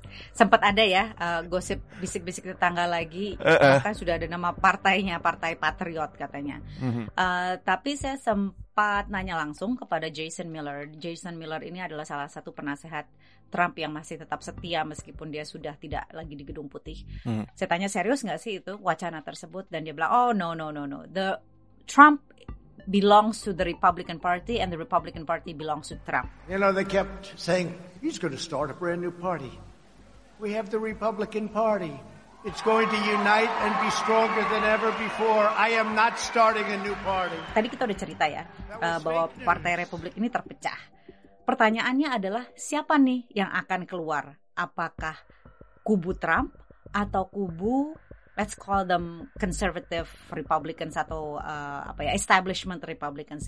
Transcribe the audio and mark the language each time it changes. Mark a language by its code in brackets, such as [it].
[id] Sempat ada ya gosip bisik-bisik tetangga lagi, bahkan sudah ada nama partainya, Partai Patriot katanya. Tapi saya sempat nanya langsung kepada Jason Miller. Jason Miller ini adalah salah satu penasehat Trump yang masih tetap setia meskipun dia sudah tidak lagi di Gedung Putih. Saya tanya, serius gak sih itu wacana tersebut? Dan dia bilang, [en] oh no, the Trump belongs to the Republican Party and the Republican Party belongs to Trump. You know, they kept saying he's going to start a brand new party. We have the Republican Party. It's going to unite and be stronger than ever before. I am not starting a new party. [id] Tadi kita udah cerita ya bahwa Partai Republik ini terpecah. Pertanyaannya adalah siapa nih yang akan keluar? Apakah kubu Trump atau kubu, [en] let's call them conservative Republicans [id] atau [en] establishment Republicans.